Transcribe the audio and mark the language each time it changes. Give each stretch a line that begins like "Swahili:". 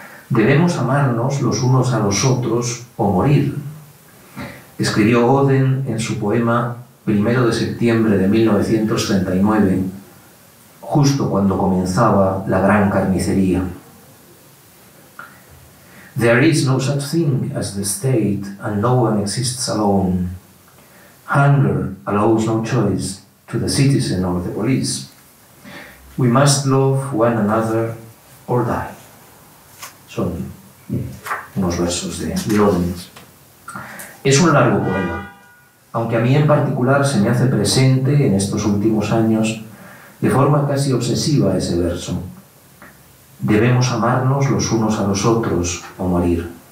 Spanish: Debemos amarnos los unos a los otros o morir, escribió Oden en su poema Primero de septiembre de 1939, justo cuando comenzaba la gran carnicería.
English: There is no such thing as the state and no one exists alone. Hunger allows no choice to the citizen or the police. We must love one another or die.
Spanish: Son unos versos de Oden. Es un largo poema, aunque a mí en particular se me hace presente en estos últimos años de forma casi obsesiva ese verso. Debemos amarnos los unos a los otros o morir.